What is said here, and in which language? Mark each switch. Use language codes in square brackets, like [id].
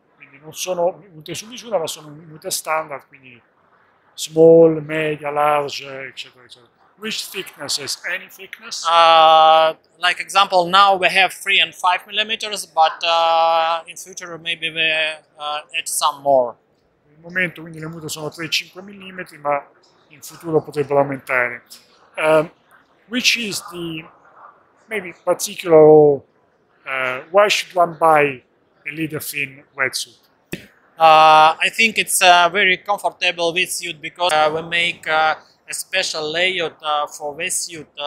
[it] Quindi non sono unite su misura, ma sono unite standard, quindi small, media, large, eccetera, eccetera. [en] Which thicknesses? Any thickness? Like example, now we have 3 and 5 millimeters, but in future maybe we add some more. [it] Per il momento quindi le mute sono 3-5 millimetri, ma in futuro potrebbero aumentare. [en] Which is the maybe particular, why should one buy a Leaderfin wetsuit? I think it's a very comfortable wetsuit because we make a special layout for wetsuit.